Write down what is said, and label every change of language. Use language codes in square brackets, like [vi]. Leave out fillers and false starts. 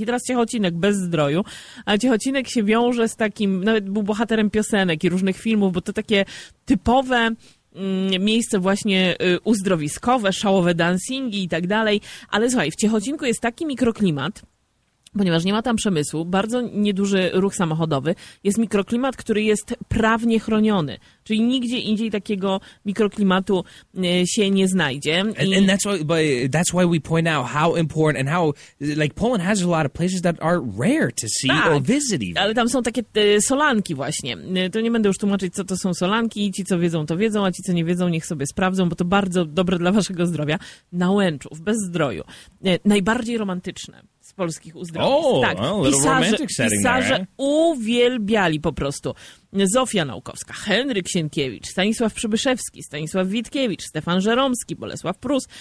[pl] I teraz Ciechocinek bez Zdroju, a Ciechocinek się wiąże z takim, nawet był bohaterem piosenek i różnych filmów, bo to takie typowe miejsce właśnie uzdrowiskowe, szałowe dancingi i tak dalej. Ale słuchaj, w Ciechocinku jest taki mikroklimat, ponieważ nie ma tam przemysłu, bardzo nieduży ruch samochodowy, jest mikroklimat, który jest prawnie chroniony. Czyli nigdzie indziej takiego mikroklimatu się nie znajdzie. [en] And that's why we point out how important and how, like, Poland has a lot of places that are rare to see or visit even. [pl] Ale tam są takie solanki właśnie. To nie będę już tłumaczyć, co to są solanki. Ci, co wiedzą, to wiedzą, a ci, co nie wiedzą, niech sobie sprawdzą, bo to bardzo dobre dla waszego zdrowia. Na Łęczu, w Bezdroju. Najbardziej romantyczne z polskich uzdrowisk. Pisarze uwielbiali po prostu. Zofia Naukowska, Henryk Sienkiewicz, Stanisław Przybyszewski, Stanisław Witkiewicz, Stefan Żeromski, Bolesław Prus.